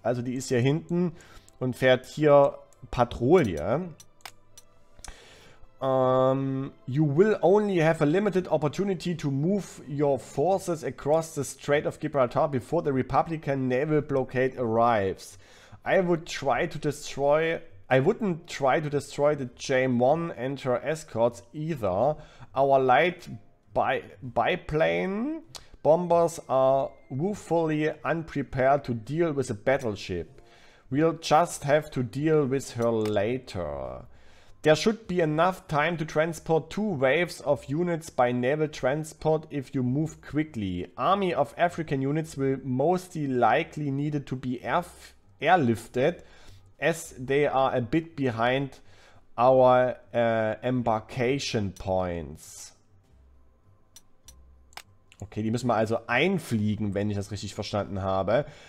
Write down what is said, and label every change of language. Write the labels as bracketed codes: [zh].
[de] Also die ist hier hinten und fährt hier Patrouille. [en] You will only have a limited opportunity to move your forces across the Strait of Gibraltar before the Republican naval blockade arrives. I wouldn't try to destroy the J-1 and her escorts either. Our light biplane bombers are woefully unprepared to deal with a battleship. We'll just have to deal with her later. There should be enough time to transport 2 waves of units by naval transport if you move quickly. Army of African units will mostly likely needed to be airlifted as they are a bit behind our embarkation points. [de] Okay, die müssen wir also einfliegen, wenn ich das richtig verstanden habe.